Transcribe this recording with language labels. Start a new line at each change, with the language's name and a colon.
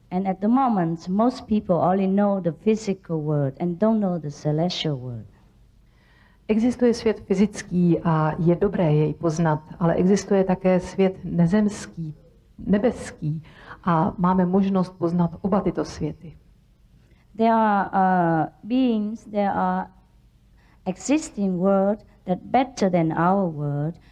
English: And at the moment, most people only know the physical world and don't know the celestial world.
Czech: Existuje svět fyzický a je dobré jej poznat, ale existuje také svět nezemský, nebeský a máme možnost poznat oba tyto světy.
English: There are beings, there are existing worlds that better than our world.